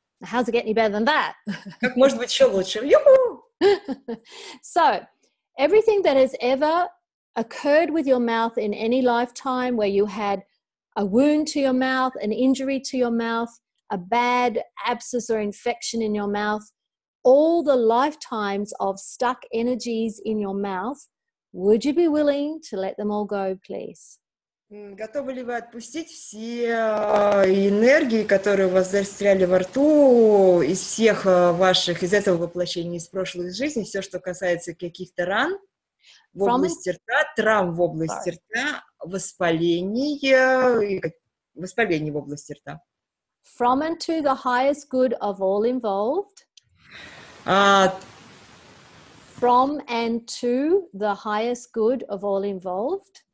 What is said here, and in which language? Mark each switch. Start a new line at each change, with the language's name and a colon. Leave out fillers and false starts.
English: How's it get any better than that?
Russian: Как может быть еще лучше? Ю-ху!
English: So, everything that has ever occurred with your mouth in any lifetime, where you had a wound to your mouth, an injury to your mouth, a bad abscess or infection in your mouth, all the lifetimes of stuck energies in your mouth, would you be willing to let them all go, please?
Russian: Готовы ли вы отпустить все энергии, которые у вас застряли во рту, из всех ваших, из этого воплощения, из прошлой жизни, все, что касается каких-то ран в области рта, травм в области рта, воспаления в области рта?
English: From and to the highest good of all involved. From and to the highest good of all involved.